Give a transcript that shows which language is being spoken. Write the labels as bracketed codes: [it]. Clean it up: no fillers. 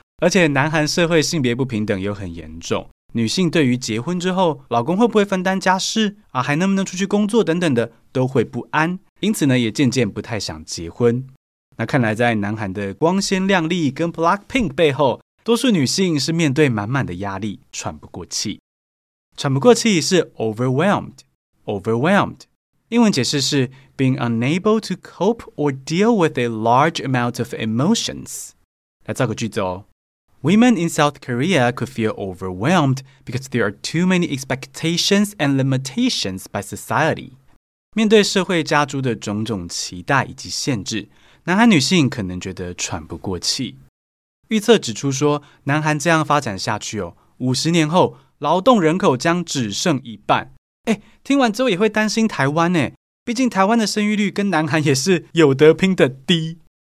[zh] 而且南韩社会性别不平等又很严重，女性对于结婚之后老公会不会分担家事啊，还能不能出去工作等等的都会不安，因此呢也渐渐不太想结婚。那看来在南韩的光鲜亮丽跟 BLACKPINK 背后，多数女性是面对满满的压力喘不过气。喘不过气是 [en] overwhelmed， overwhelmed [zh] 英文解释是 [en] being unable to cope or deal with a large amount of emotions。 [zh] 来造个句子哦， [en] Women in South Korea could feel overwhelmed because there are too many expectations and limitations by society. [zh] 面对社会加诸的种种期待以及限制，南韩女性可能觉得喘不过气。预测指出说，南韩这样发展下去哦，50年后劳动人口将只剩一半。哎，听完之后也会担心台湾哎，毕竟台湾的生育率跟南韩也是有得拼的低。